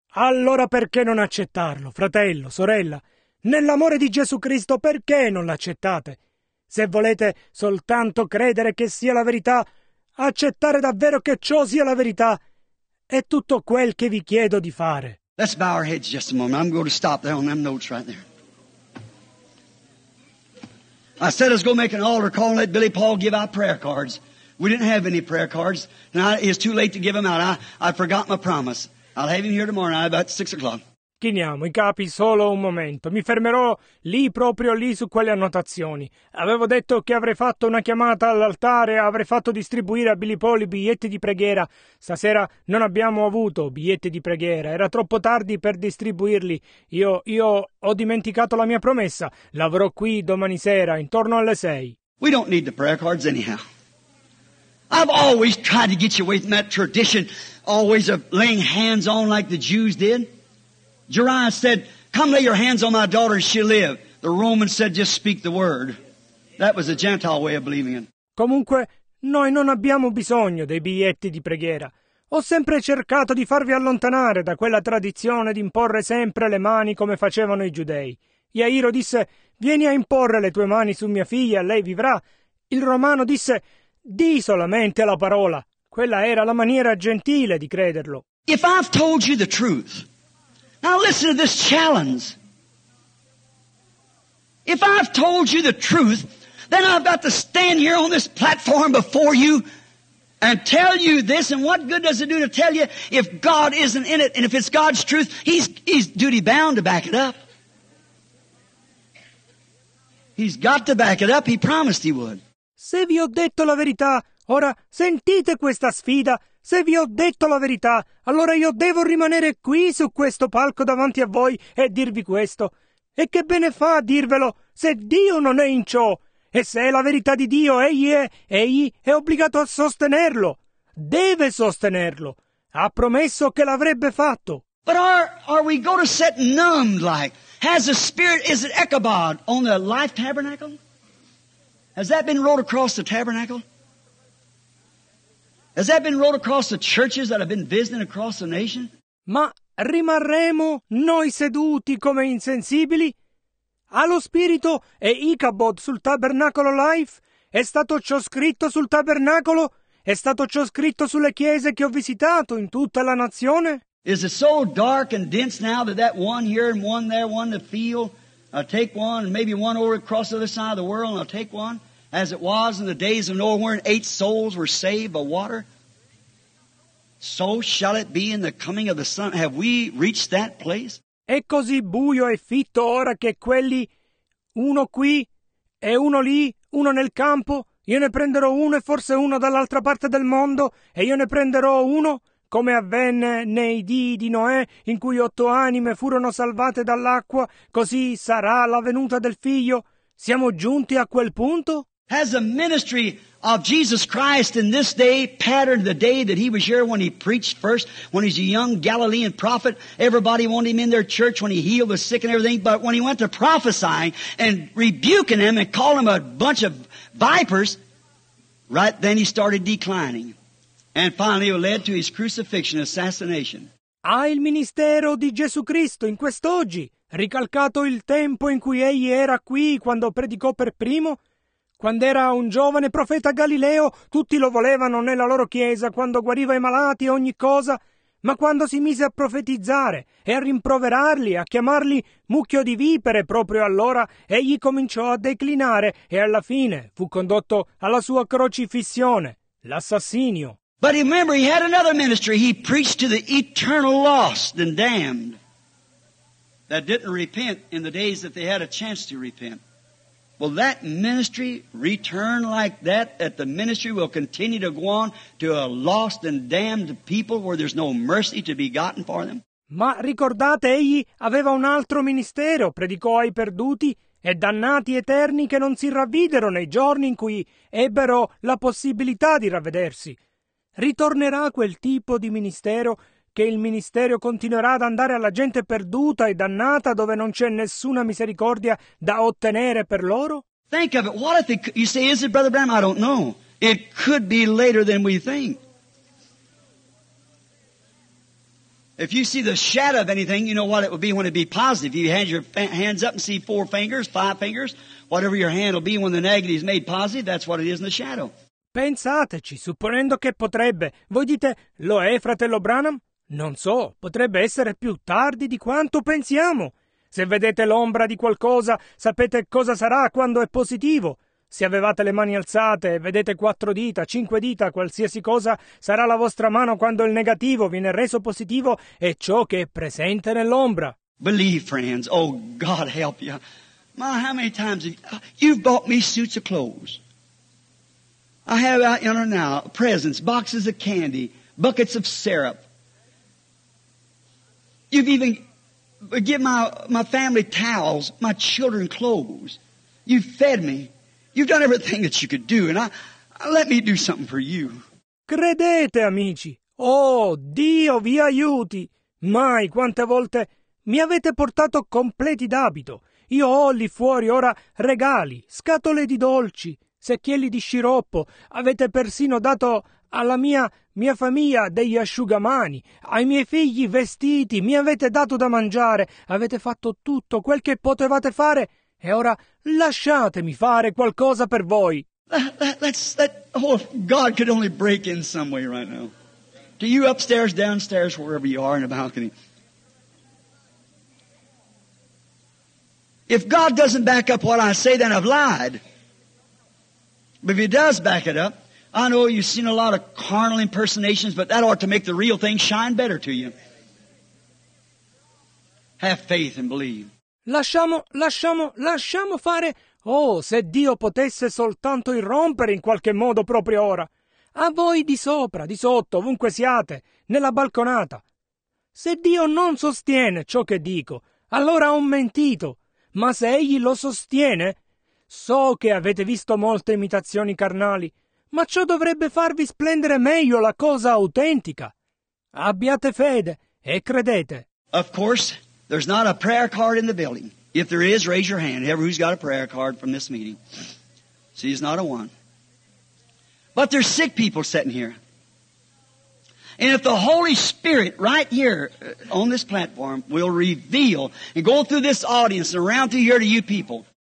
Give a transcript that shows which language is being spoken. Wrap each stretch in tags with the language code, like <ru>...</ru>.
<it>Allora perché non accettarlo, fratello, sorella? Nell'amore di Gesù Cristo, perché non l'accettate? Se volete soltanto credere che sia la verità, accettare davvero che ciò sia la verità, è tutto quel che vi chiedo di fare.</it> <en>Let's bow our heads just a moment. I'm going to stop there on them notes right there. I said let's go make an altar call and let Billy Paul give out prayer cards. We didn't have any prayer cards. Now it's too late to give them out. I forgot my promise. I'll have him here tomorrow night about 6 o'clock.</en> <it>Chiniamo i capi solo un momento. Mi fermerò lì, proprio lì, su quelle annotazioni. Avevo detto che avrei fatto una chiamata all'altare, avrei fatto distribuire a Billy Paul i biglietti di preghiera. Stasera non abbiamo avuto biglietti di preghiera. Era troppo tardi per distribuirli. Io ho dimenticato la mia promessa. L'avrò qui domani sera, intorno alle 6.</it> <en>We don't need the prayer cards anyhow. I've always tried to get you away from that tradition, always of laying hands on like the Jews did. Jairus said, come lay your hands on my daughter, she'll live. The Romans said, just speak the word. That was a Gentile way of believing it.</en> <it>Comunque, noi non abbiamo bisogno dei biglietti di preghiera. Ho sempre cercato di farvi allontanare da quella tradizione di imporre sempre le mani come facevano i giudei. Jairo disse, vieni a imporre le tue mani su mia figlia, lei vivrà. Il romano disse, di solamente la parola. Quella era la maniera gentile di crederlo.</it> <en>If I've told you the truth... Now listen to this challenge. If I've told you the truth, then I've got to stand here on this platform before you and tell you this. And what good does it do to tell you if God isn't in it? And if it's God's truth, he's duty bound to back it up. He's got to back it up. He promised he would.</en> <it>Se vi ho detto la verità, ora sentite questa sfida. Se vi ho detto la verità, allora io devo rimanere qui su questo palco davanti a voi e dirvi questo. E che bene fa a dirvelo se Dio non è in ciò? E se è la verità di Dio, egli è obbligato a sostenerlo. Deve sostenerlo. Ha promesso che l'avrebbe fatto.</it> <en>But are we going to sit numbed like? Has the Spirit, is it Ichabod on the life tabernacle? Has that been rolled across the tabernacle? Has that been rolled across the churches that have been visiting across the nation?</en> <it>Ma rimarremo noi seduti come insensibili? Allo Spirito e Ichabod sul tabernacolo life? È stato ciò scritto sul tabernacolo? È stato ciò scritto sulle chiese che ho visitato in tutta la nazione?</it> <en>Is it so dark and dense now that one here and one there, one to feel, I'll take one, and maybe one over across the other side of the world, and I'll take one? As it was in the days of Noah, when 8 souls were saved by water, so shall it be in the coming of the Son. Have we reached that place?</en> <it>È così buio e fitto ora che quelli, uno qui e uno lì, uno nel campo, io ne prenderò uno e forse uno dall'altra parte del mondo, e io ne prenderò uno, come avvenne nei dì di Noè, in cui 8 anime furono salvate dall'acqua, così sarà la venuta del Figlio. Siamo giunti a quel punto?</it> <en>Has the ministry of Jesus Christ in this day patterned the day that he was here when he preached first, when he's a young Galilean prophet? Everybody wanted him in their church when he healed the sick and everything. But when he went to prophesying and rebuking them and calling them a bunch of vipers, right then he started declining. And finally it led to his crucifixion, assassination.</en> <it>Ha il ministero di Gesù Cristo in quest'oggi ricalcato il tempo in cui egli era qui quando predicò per primo? Quando era un giovane profeta Galileo, tutti lo volevano nella loro chiesa, quando guariva i malati e ogni cosa, ma quando si mise a profetizzare e a rimproverarli, a chiamarli mucchio di vipere, proprio allora egli cominciò a declinare e alla fine fu condotto alla sua crocifissione, l'assassinio.</it> <en>But remember, he had another ministry. He preached to the eternal lost and damned that didn't repent in the days that they had a chance to repent. Will that ministry return like that? That the ministry will continue to go on to a lost and damned people where there's no mercy to be gotten for them?</en> <it>Ma ricordate, egli aveva un altro ministero, predicò ai perduti e dannati eterni che non si ravvidero nei giorni in cui ebbero la possibilità di ravvedersi. Ritornerà quel tipo di ministero, che il ministero continuerà ad andare alla gente perduta e dannata dove non c'è nessuna misericordia da ottenere per loro?</it> <en>Think of it. What if it, you say, is it Brother Branham? I don't know. It could be later than we think. If you see the shadow of anything, you know what it would be when it would be positive. You had your hands up and see four fingers, five fingers, whatever your hand will be when the negative is made positive, that's what it is in the shadow.</en> <it>Pensateci, supponendo che potrebbe. Voi dite, lo è, fratello Branham? Non so, potrebbe essere più tardi di quanto pensiamo. Se vedete l'ombra di qualcosa, sapete cosa sarà quando è positivo. Se avevate le mani alzate e vedete quattro dita, cinque dita, qualsiasi cosa, sarà la vostra mano quando il negativo viene reso positivo e ciò che è presente nell'ombra.</it> <en>Believe, friends. Oh, God help you. Ma, how many times have you've bought me suits of clothes? I have out yonder now presents, boxes of candy, buckets of syrup. You've even given my family towels, my children clothes. You've fed me. You've done everything that you could do, and I let me do something for you.</en> <it>Credete, amici. Oh, Dio vi aiuti. Mai quante volte mi avete portato completi d'abito. Io ho lì fuori ora regali, scatole di dolci, secchielli di sciroppo. Avete persino dato alla mia famiglia degli asciugamani, ai miei figli vestiti, mi avete dato da mangiare. Avete fatto tutto quel che potevate fare. E ora lasciatemi fare qualcosa per voi.</it> <en>Oh, God could only break in some way right now. To you upstairs, downstairs, wherever you are in the balcony. If God doesn't back up what I say, then I've lied. But if he does back it up, I know you've seen a lot of carnal impersonations, but that ought to make the real thing shine better to you. Have faith and believe.</en> <it>Lasciamo fare. Oh, se Dio potesse soltanto irrompere in qualche modo proprio ora. A voi di sopra, di sotto, ovunque siate, nella balconata. Se Dio non sostiene ciò che dico, allora ho mentito. Ma se egli lo sostiene, so che avete visto molte imitazioni carnali, ma ciò dovrebbe farvi splendere meglio la cosa autentica. Abbiate fede e credete.</it> <en>Of course. There's not a prayer card in the building. If there is, raise your hand. Whoever who's got a prayer card from this meeting. See, it's not a one. But there's sick people sitting here. And if the Holy Spirit right here on this platform will reveal and go through this audience and around through here to you people.</en>